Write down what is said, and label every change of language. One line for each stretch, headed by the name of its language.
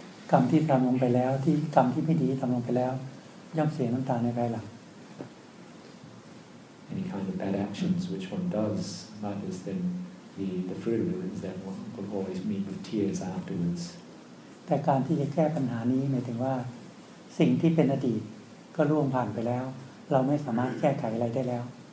Thai: กรรมที่ทำลงไปแล้วที่กรรมที่ไม่ดีทำลงไปแล้วย่อมเสียน้ำตาในภายหลัง
English: Any kind of bad actions which one does like this then the fruit of it is that one will always meet with tears afterwards
Thai: แต่การที่จะแก้ปัญหานี้หมายถึงว่าสิ่งที่เป็นอดีตก็ล่วงผ่านไปแล้วเราไม่สามารถแก้ไขอะไรได้แล้ว